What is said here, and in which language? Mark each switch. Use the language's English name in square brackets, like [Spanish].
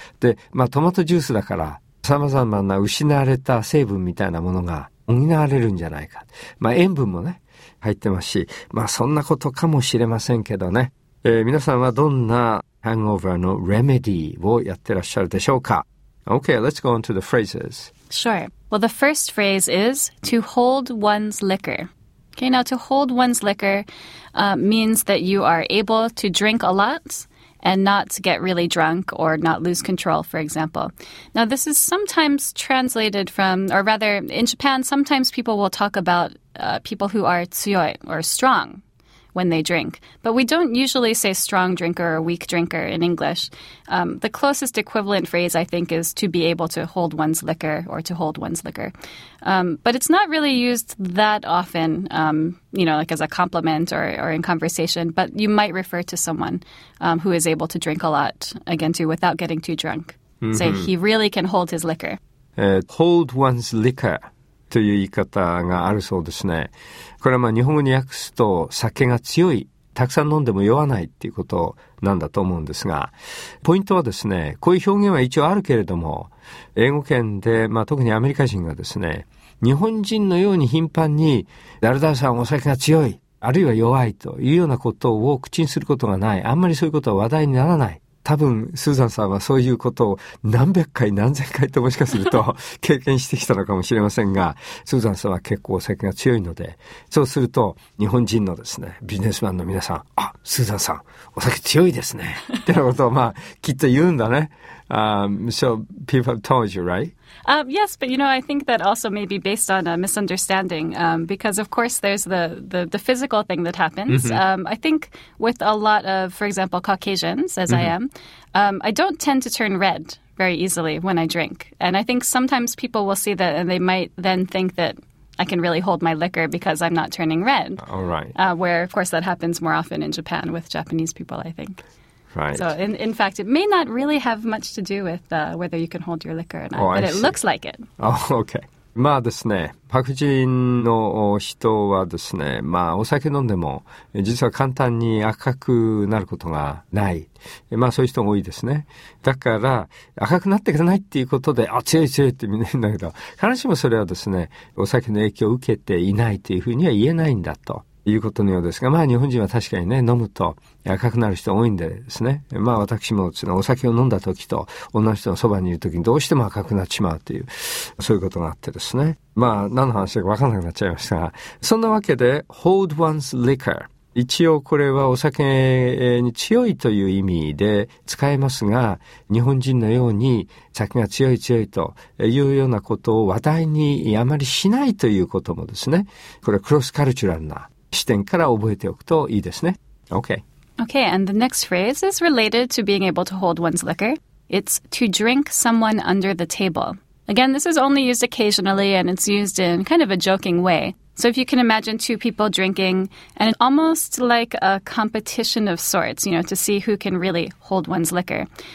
[Japanese] で、まあトマトジュースだから様々な失われた成分みたいなものが補われるんじゃないか。まあ塩分もね、入ってますし、まあそんなことかもしれませんけどね。皆さんはどんなハングオーバーのレメディーをやってらっしゃるでしょうか？ [English] Okay, let's go on to the phrases. Sure. Well, the first phrase is to hold one's liquor. Okay, now to hold one's liquor means that you are able to drink a lot and not get really drunk or not lose control, for example. Now, this is sometimes translated from, or rather, in Japan, sometimes people will talk about people who are tsuyoi or strong when they drink. But we don't usually say strong drinker or weak drinker in English. The closest equivalent phrase, I think, is to be able to hold one's liquor or to hold one's liquor. But it's not really used that often, you know, like as a compliment or in conversation. But you might refer to someone who is able to drink a lot, again, too, without getting too drunk. Mm-hmm. Say he really can hold his liquor. Hold one's liquor. [Japanese] という言い方があるそうですね。これはまあ日本語に訳すと酒が強い、たくさん飲んでも酔わないっていうことなんだと思うんですが、ポイントはですね、こういう表現は一応あるけれども、英語圏で、まあ特にアメリカ人がですね、日本人のように頻繁に、誰々さんお酒が強い、あるいは弱いというようなことを口にすることがない、あんまりそういうことは話題にならない。多分スーザンさんはそういうことを何百回何千回ともしかすると経験してきたのかもしれませんが、スーザンさんは結構お酒が強いので、そうすると日本人のですねビジネスマンの皆さん、あ、スーザンさんお酒強いですねってなことをまあきっと言うんだね。 [English] So people have told you, right? Yes, but you know, I think that also may be based on a misunderstanding, because of course there's the physical thing that happens. Mm-hmm. I think with a lot of, for example, Caucasians, as mm-hmm. I am, I don't tend to turn red very easily when I drink. And I think sometimes people will see that and they might then think that I can really hold my liquor because I'm not turning red. All right. Where, of course, that happens more often in Japan with Japanese people, I think. Right. So, in fact, it may not really have much to do with whether you can hold your liquor or not, oh, but it looks like it. Oh, okay. [Japanese] まあですね、白人の人はですね、まあお酒飲んでも実は簡単に赤くなることがない。まあそういう人も多いですね。だから赤くなってくれないっていうことで、あ、強い強いってみんな言うんだけど、必ずしもそれはですね、お酒の影響を受けていないというふうには言えないんだと。いうことのようですが、まあ日本人は確かにね、飲むと赤くなる人多いんでですね。まあ私もですね、お酒を飲んだ時と女の人のそばにいる時にどうしても赤くなっちまうという、そういうことがあってですね。まあ何の話か分かんなくなっちゃいましたが、そんなわけで、 [English] hold one's liquor。 [Japanese] 一応これはお酒に強いという意味で使えますが、日本人のように酒が強い強いというようなことを話題にあまりしないということもですね、これはクロスカルチュラルな視点から覚えておくといいですね。 [English] Okay. Okay, and the next phrase is related to being able to hold one's liquor. It's to drink someone under the table. Again, this is only used occasionally and it's used in kind of a joking way. So if you can imagine two people drinking and it's almost like a competition of sorts, you know, to see who can really hold one's liquor.